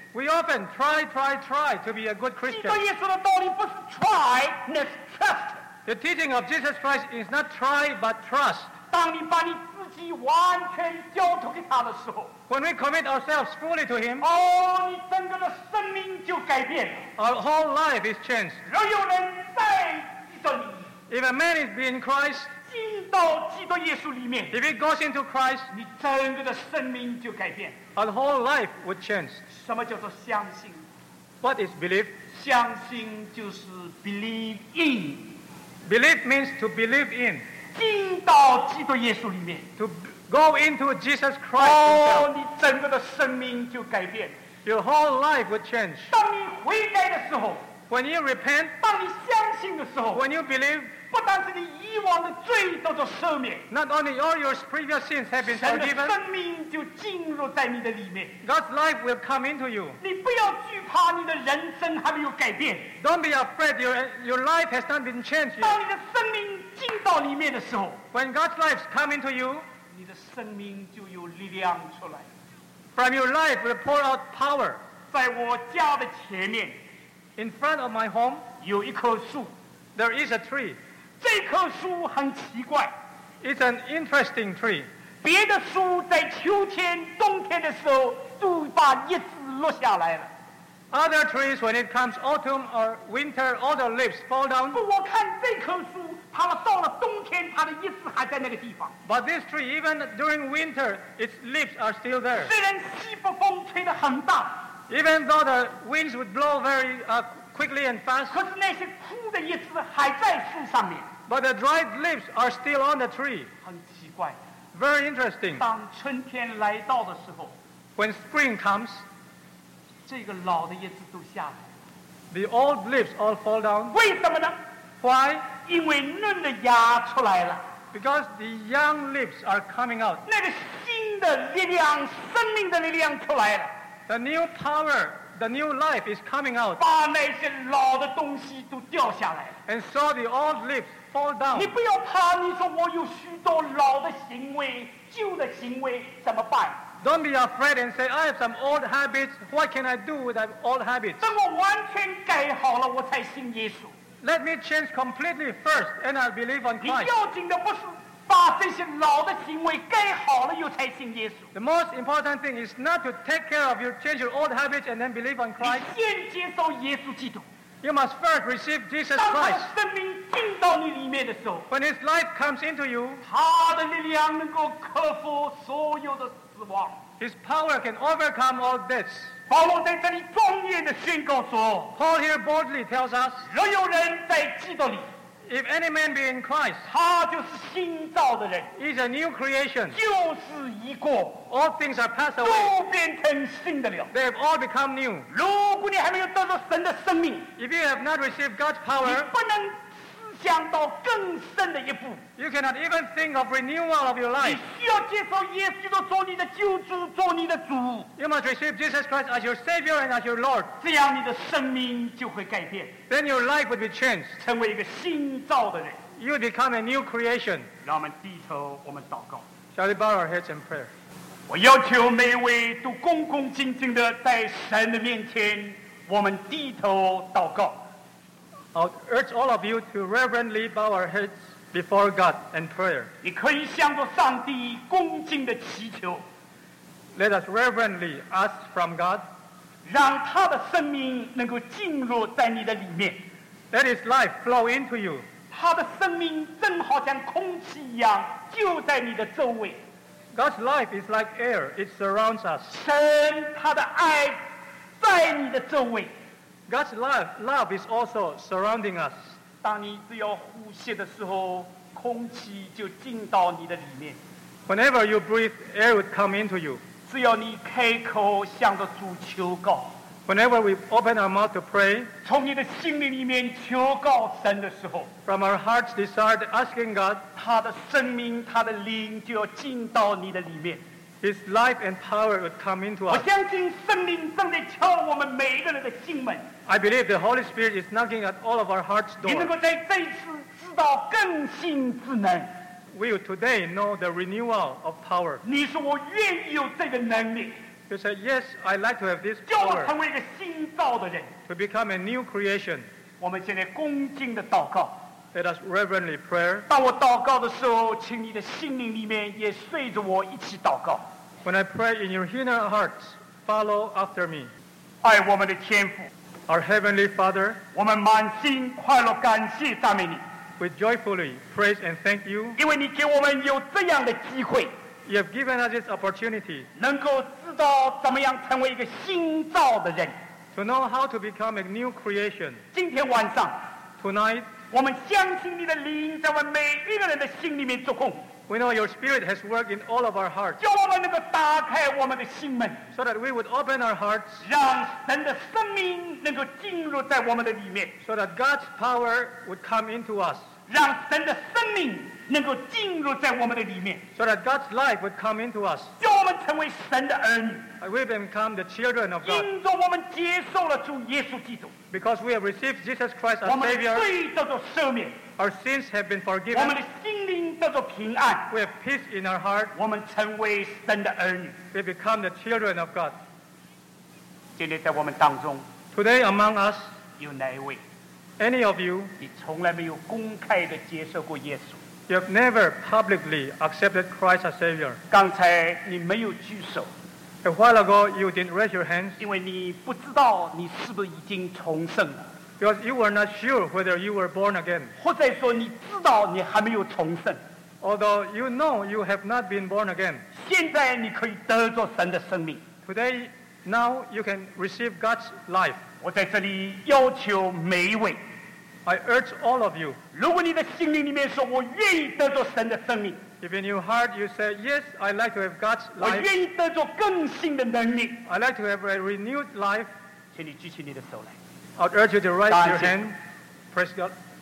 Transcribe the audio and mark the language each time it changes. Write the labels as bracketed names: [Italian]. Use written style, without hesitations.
[English] We often try to be a good Christian. [Chinese] 基督耶稣的道理不是 [English] try, but trust. The teaching of Jesus Christ is not try, but trust. [Chinese] 当你把你自己完全交托给他的时候， [English] When we commit ourselves fully to him, [Chinese] 哦，你整个的生命就改变了。 [English] Our whole life is changed. [Chinese] 若有人在 [English] If a man is in Christ, [Chinese] 进到基督耶稣里面， [English] if he goes into Christ, [Chinese] 你整个的生命就改变， [English] our whole life would change. [Chinese] 什么叫做相信？ [English] What is belief? [Chinese] 相信就是 [English] believe in. Belief means to believe in. [Chinese] 进到基督耶稣里面， [English] to go into Jesus Christ. [Chinese] 哦，你整个的生命就改变， [English] your whole life would change. [Chinese] 当你悔改的时候。 [English] When you repent, [Chinese] 当你相信的时候， [English] when you believe, [Chinese] 不单是你以往的罪都是赦免， [English] not only all your previous sins have been forgiven, [Chinese] 神的生命就进入在你的里面， [English] God's life will come into you. [Chinese] 你不要惧怕你的人生还没有改变， [English] don't be afraid your life has not been changed yet. [Chinese] 当你的生命进到里面的时候， [English] when God's life come into you, [Chinese] 你的生命就有力量出来， [English] from your life will pour out power. [Chinese] 在我家的前面， [English] In front of my home, [Chinese] 有一棵树。 [English] There is a tree. [Chinese] 这棵树很奇怪。 [English] It's an interesting tree. [Chinese] 别的树在秋天、冬天的时候都把叶子落下来了。 [English] Other trees, when it comes autumn or winter, all the leaves fall down. [Chinese] 不，我看这棵树，它到了冬天，它的叶子还在那个地方。 [English] But this tree, even during winter, its leaves are still there. [Chinese] 虽然西北风吹得很大。 [English] Even though the winds would blow very quickly and fast, [Chinese] 可是那些枯的叶子还在树上面。 [English] But the dried leaves are still on the tree. [Chinese] 很奇怪。 [English] Very interesting. [Chinese] 当春天来到的时候， [English] When spring comes, [Chinese] 这个老的叶子都下来。 [English] The old leaves all fall down. [Chinese] 为什么呢？ [English] Why? [Chinese] 因为嫩的芽出来了。 [English] Because the young leaves are coming out. [Chinese] 那个新的力量，生命的力量出来了。 [English] The new power, the new life is coming out. [Chinese] 把那些老的东西都掉下来。 [English] And so the old leaves fall down. [Chinese] 你不要怕，你说我有许多老的行为、旧的行为，怎么办？ [English] Don't be afraid and say, I have some old habits. What can I do with that old habits? [Chinese] 等我完全改好了，我才信耶稣。 [English] Let me change completely first, and I believe on Christ. [Chinese] 你要紧的不是。把这些老的行为改好了，又才信耶稣。 [English] The most important thing is not to take care of your change your old habits and then believe on Christ. [Chinese] 你先接受耶稣基督。 [English] You must first receive Jesus Christ. [Chinese] 当他的生命进到你里面的时候， [English] when His life comes into you, [Chinese] 他的力量能够克服所有的死亡。 [English] His power can overcome all deaths. [Chinese] 保罗在这里庄严的宣告说， [English] Paul here boldly tells us, [Chinese] 若有人在基督里。 [English] If any man be in Christ, [Chinese] 他就是新造的人。 [English] He's a new creation. [Chinese] 旧事已过。 [English] All things are passed away. [Chinese] 都变成新的了。 [English] They have all become new. [Chinese] 如果你还没有得到神的生命， [English] If you have not received God's power, [Chinese] 你不能想到更深的一步。 [English] You cannot even think of renewal of your life. [Chinese] 你需要接受耶稣基督做你的救主，做你的主。 [English] You must receive Jesus Christ as your Savior and as your Lord. [Chinese] 这样你的生命就会改变。 [English] Then your life would be changed. [Chinese] 成为一个新造的人。 [English] You become a new creation. [Chinese] 让我们低头，我们祷告。 [English] Shall we bow our heads in prayer? [Chinese] 我要求每一位都恭恭敬敬的在神的面前，我们低头祷告。 [English] I urge all of you to reverently bow our heads before God and prayer. [Chinese] 你可以向着上帝恭敬的祈求。 [English] Let us reverently ask from God. [Chinese] 让他的生命能够进入在你的里面。 [English] Let his life flow into you. [Chinese] 他的生命正好像空气一样，就在你的周围。 [English] God's life is like air; it surrounds us. [Chinese] 神他的爱在你的周围。 [English] God's love is also surrounding us. [Chinese] 当你只要呼吸的时候，空气就进到你的里面。 [English] Whenever you breathe, air would come into you. [Chinese] 只要你开口向着主求告。 [English] Whenever we open our mouth to pray, [Chinese] 从你的心灵里面求告神的时候， [English] from our heart's desire to asking God, [Chinese] 他的生命，他的灵就要进到你的里面。 [English] His life and power would come into us. [Chinese] 我相信圣灵正在敲我们每一个人的心门。 [English] I believe the Holy Spirit is knocking at all of our hearts' doors. [Chinese] 你能够在这一次知道更新之能。 [English] We will today know the renewal of power. [Chinese] 你说我愿意有这个能力。 [English] You say yes, I'd like to have this power. [Chinese] 叫我成为一个新造的人。 [English] To become a new creation. [Chinese] 我们现在恭敬的祷告。 [English] Let us reverently pray. [Chinese] 当我祷告的时候，请你的心灵里面也随着我一起祷告。 [English] When I pray in your inner heart, follow after me. [Chinese] 爱我们的天父。 [English] Our Heavenly Father, [Chinese] 我们满心快乐感谢赞美你。 [English] We joyfully praise and thank you. [Chinese] 因为你给我们有这样的机会。 [English] You have given us this opportunity. [Chinese] 能够知道怎么样成为一个新造的人。 [English] To know how to become a new creation. [Chinese] 今天晚上。 [English] Tonight. [Chinese] 我们相信你的灵在我们每一个人的心里面做工。 [English] We know your spirit has worked in all of our hearts. [Chinese] 叫我们能够打开我们的心门。 [English] So that we would open our hearts. [Chinese] 让神的生命能够进入在我们的里面。 [English] So that God's power would come into us. [Chinese] 让神的生命能够进入在我们的里面。 [English] So that God's life would come into us. [Chinese] 叫我们成为神的儿女。 [English] We become the children of God. [Chinese] 因着我们接受了主耶稣基督。 [English] Because we have received Jesus Christ as Savior, [Chinese] 我们罪得着赦免。 [English] Our sins have been forgiven. [Chinese] 我们的心灵得着平安。 [English] We have peace in our heart. [Chinese] 我们成为神的儿女。 [English] We become the children of God. [Chinese] 今天在我们当中， [English] Today among us, [Chinese] 有哪一位？ [English] Any of you, [Chinese] 你从来没有公开地接受过耶稣。 [English] You have never publicly accepted Christ as Savior. [Chinese] 刚才你没有举手。 [English] A while ago, you didn't raise your hands. [Chinese] 因为你不知道你是不是已经重生了。 [English] Because you were not sure whether you were born again. [Chinese] 或者说你知道你还没有重生。 [English] Although you know you have not been born again. [Chinese] 现在你可以得着神的生命。 [English] Today, now you can receive God's life. [Chinese] 我在这里要求每一位。 [English] I urge all of you. [Chinese] 如果你的心灵里面说我愿意得着神的生命。 [English] If in your heart you say, yes, I'd like to have God's life. [Chinese] 我愿意得着更新的能力。 [English] I'd like to have a renewed life. [Chinese] 请你举起你的手来。 [English] I'd urge you to raise your hand. Praise God.